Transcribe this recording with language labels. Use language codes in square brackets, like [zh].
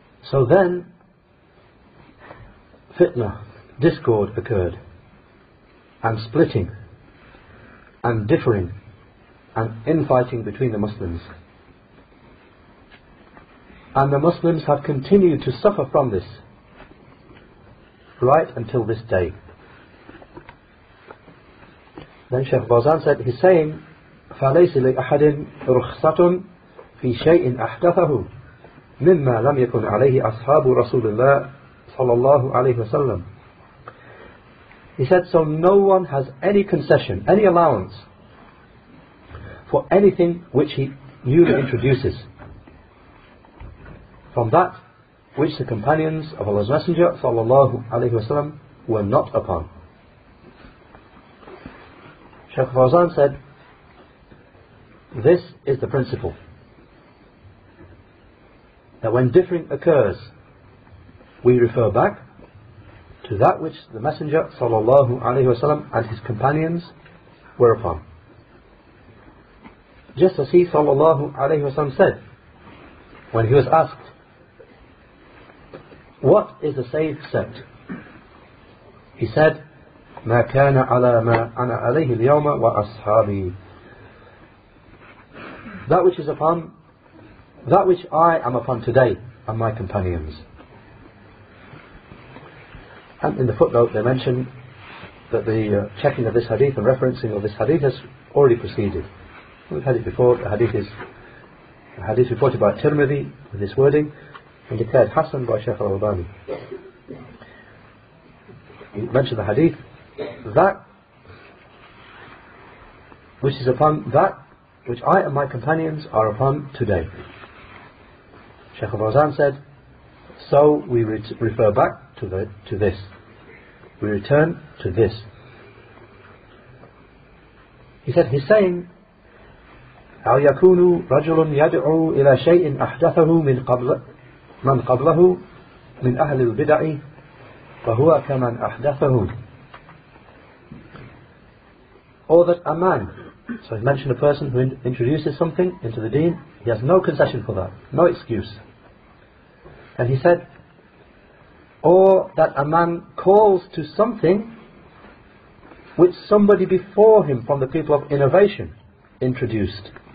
[en] So then, fitna, discord occurred, and splitting, and differing, and infighting between the Muslims. And the Muslims have continued to suffer from this, right until this day. Then Shaykh Fawzan said, he's saying, [ar] فَلَيْسِ لِأَحَدٍ رُخْصَةٌ فِي شَيْءٍ أَحْدَثَهُ مما لم يكن عليه أصحاب رسول الله صلى الله عليه وسلم. [en] He said, so no one has any concession, any allowance for anything which he newly introduces from that which the companions of Allah's Messenger صلى الله عليه وسلم were not upon. Shaykh Fawzan said, this is the principle, that when differing occurs, we refer back to that which the Messenger sallallahu alaihi wasallam and his companions were upon. Just as he sallallahu alaihi wasallam said, when he was asked, what is the safe sect? He said, [ar] مَا كَانَ عَلَى مَا أَنَا عَلَيْهِ الْيَوْمَ وَأَصْحَابِي. [en] That which is upon, that which I am upon today and my companions. And in the footnote they mention that the checking of this hadith and referencing of this hadith has already proceeded. We've had it before. The hadith is a hadith reported by Tirmidhi with this wording and declared Hassan by Shaykh al-Albani. He mentioned the hadith, that which is upon, that which I and my companions are upon today. Shaykh Fawzan said, so we refer back to the to this. We return to this. He said, he's saying, [ar] أَوْ يَكُونُ رَجُلٌ يَدْعُو إِلَى شَيْءٍ أَحْدَثَهُ مِنْ قَبْلَ مَنْ قَبْلَهُ مِنْ أَهْلِ الْبِدَعِ فَهُوَ كَمَنْ أَحْدَثَهُ. [en] Or that a man, so he mentioned a person who introduces something into the deen, he has no concession for that, no excuse. And he said, or that a man calls to something which somebody before him from the people of innovation introduced.